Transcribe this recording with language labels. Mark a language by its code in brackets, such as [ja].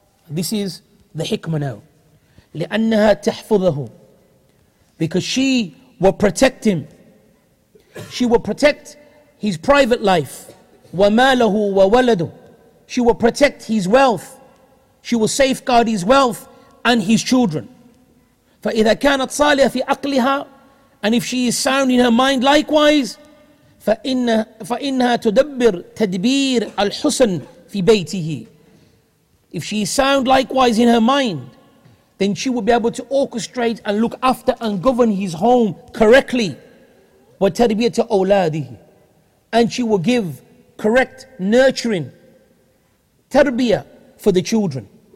[en] This is the hikmah now. [ar] لأنها تحفظه, [en] because she will protect him. She will protect his private life. [ar] وماله وولده, [en] she will protect his wealth. She will safeguard his wealth and his children. [ar] فَإِذَا كَانَتْ صَالِحَ فِي أَقْلِهَا, [en] and if she is sound in her mind likewise, [ar] فَإِنَّهَا تُدَبِّرْ تَدْبِيرَ الْحُسْنِ فِي بَيْتِهِ. [en] If she is sound likewise in her mind, then she will be able to orchestrate and look after and govern his home correctly. [ar] وَتَرْبِيَةَ أَوْلَادِهِ, [en] and she will give correct nurturing, tarbiyah, for the children.